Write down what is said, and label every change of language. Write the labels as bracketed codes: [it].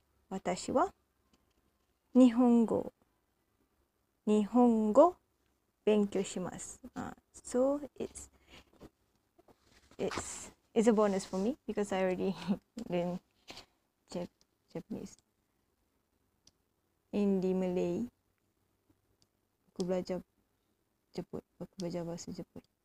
[ja] 私は日本語勉強します。 [en] So it's a bonus for me because I already learned Japanese. In the Malay, [ms] aku belajar bahasa Jepun.